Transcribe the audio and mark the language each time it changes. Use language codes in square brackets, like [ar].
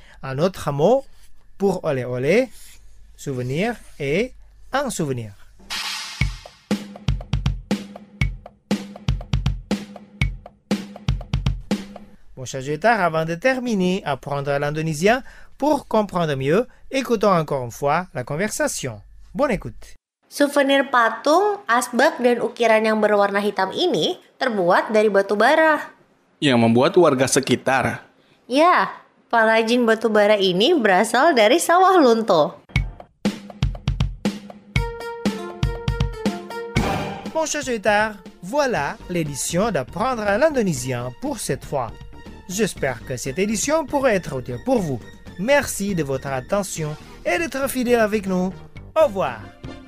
[fr] Un autre mot pour olé, olé, souvenir est un souvenir. Bon, chers auditeurs, avant de terminer, apprendre l'indonésien pour comprendre mieux, écoutons encore une fois la conversation. Bonne écoute. [id] Souvenir patung, asbak, dan ukiran yang berwarna hitam ini terbuat dari batu bara. Yang membuat warga sekitar. Ya, palajin batu bara ini berasal dari sawah lunto. [fr] Bon, chers auditeurs, voilà l'édition d'apprendre l'indonésien pour cette fois. J'espère que cette édition pourra être utile pour vous. Merci de votre attention et d'être fidèle avec nous. Au revoir.